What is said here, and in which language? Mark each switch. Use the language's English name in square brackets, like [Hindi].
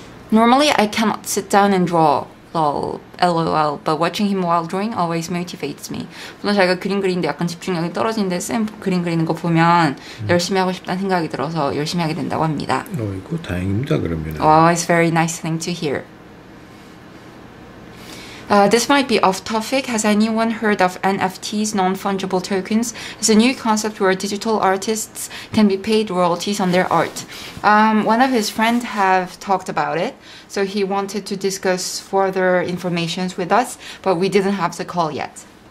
[English] Normally, I cannot sit down and draw, lol, but watching him while drawing always motivates me. [Korean] 물론 자기가 그림 그리는데 약간 집중력이 떨어지는데 쌤 그림 그리는 거 보면 열심히 하고 싶다는 생각이 들어서 열심히 하게 된다고 합니다. 이거 다행입니다, 그러면. [English] Oh, it's a very nice thing to hear. This might be off topic. Has anyone heard of NFTs, non-fungible tokens? It's a new concept where digital artists can be paid royalties on their art. One of his friends have talked about it, so he wanted to discuss further information with us, but we didn't have the call yet.